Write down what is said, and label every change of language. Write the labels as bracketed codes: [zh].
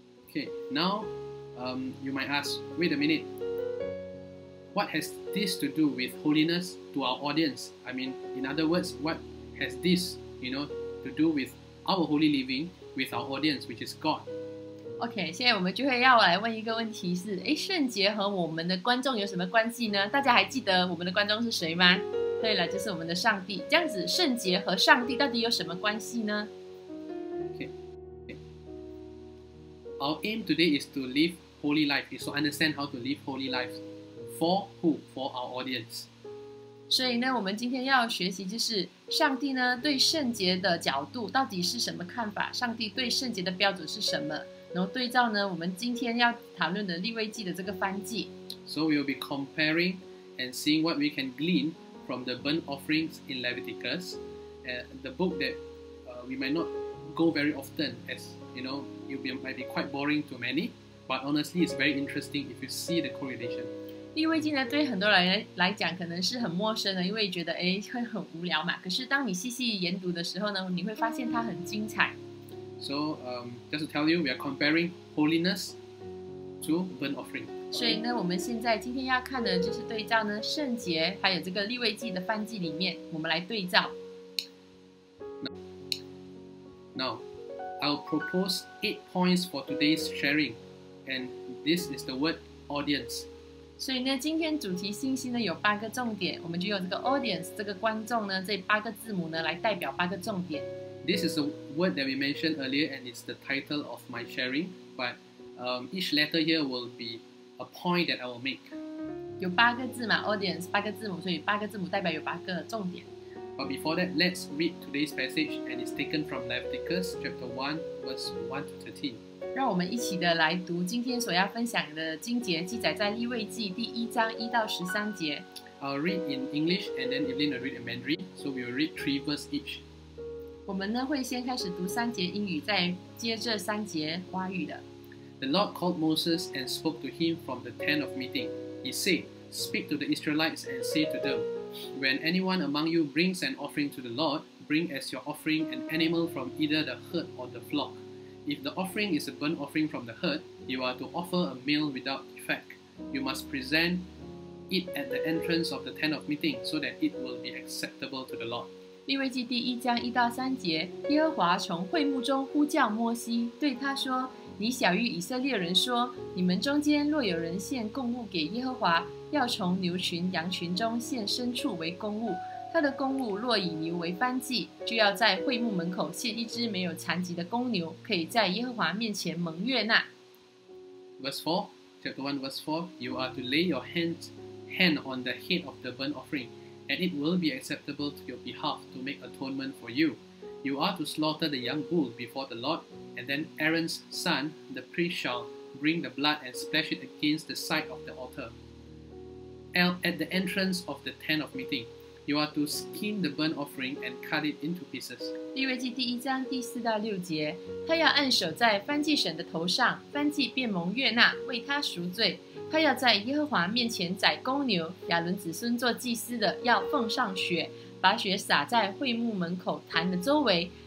[en] Okay, now, you might ask, wait a minute. What has this to do with holiness to our audience? I mean, in other words, what has this, you know, to do withOur holy living with our audience, which is God. [zh] Okay, 现在我们就会要来问一个问题是，诶，圣洁和我们的观众有什么关系呢？大家还记得我们的观众是谁吗？对了，就是我们的上帝。这样子，圣洁和上帝到底有什么关系呢？ [en] Okay. Our aim today is to live holy life, is to understand how to live holy life. For who? For our audience. [zh] 所以呢，我们今天要学习就是上帝呢对圣洁的角度到底是什么看法，上帝对圣洁的标准是什么，然后对照呢我们今天要讨论的立位记的这个燔祭。 [en] So we'll be comparing and seeing what we can glean from the burnt offerings in Leviticus, the book that we might not go very often, as you know, might be quite boring to many, but honestly it's very interesting if you see the correlation. [zh] 立位记呢对很多人来讲可能是很陌生的，因为觉得诶会很无聊嘛，可是当你细细研读的时候呢，你会发现它很精彩。 [en] So just to tell you, we are comparing holiness to burnt offering. [zh] 所以呢我们现在今天要看的就是对照呢圣洁还有这个立位记的燔祭里面我们来对照。 [en] Now I'll propose 8 points for today's sharing, and this is the word audience. [zh] 所以呢，今天主题信息呢有八个重点，我们就用这个 audience 这个观众呢，这八个字母呢来代表八个重点。 [en] This is a word that we mentioned earlier, and it's the title of my sharing. But each letter here will be a point that I will make. [zh] 有八个字嘛 ，audience 八个字母，所以八个字母代表有八个重点。 [en] But before that, let's read today's passage, and it's taken from Leviticus chapter 1, verse 1 to 13. [zh] 让我们一起的来读今天所要分享的经节，记载在立位记第一章一到十三节。 [en] I'll read in English and then Evelyn will read in Mandarin, so we'll read 3 verses each. [zh] 我们呢会先开始读三节英语，再接着三节华语的。 [en] The Lord called Moses and spoke to him from the tent of meeting. He said, Speak to the Israelites and say to them, When anyone among you brings an offering to the Lord, bring as your offering an animal from either the herd or the flock. If the offering is a burnt offering from the herd, you are to offer a meal without defect. You must present it at the entrance of the tent of meeting so that it will be acceptable to the Lord. [zh] 立位记第一章一到三节，耶和华从会幕中呼叫摩西，对他说：你晓谕以色列人说，你们中间若有人献供物给耶和华，要从牛群、羊群中献牲畜为供物。他的公物若以牛为燔祭，就要在会幕门口献一只没有残疾的公牛，可以在耶和华面前蒙悦纳。 [en] Verse 4, chapter 1, verse 4, you are to lay your hand on the head of the burnt offering, and it will be acceptable to your behalf to make atonement for you. You are to slaughter the young bull before the Lord, and then Aaron's son, the priest, shall bring the blood and splash it against the side of the altar at the entrance of the tent of meeting. You are to skin the burnt offering and cut it into pieces. [zh] 立位记第一章第四到六节，他要按手在燔祭神的头上，燔祭便蒙悦纳，为他赎罪。他要在耶和华面前宰公牛，亚伦子孙做祭司的要奉上血，把血洒在会幕门口坛的周围。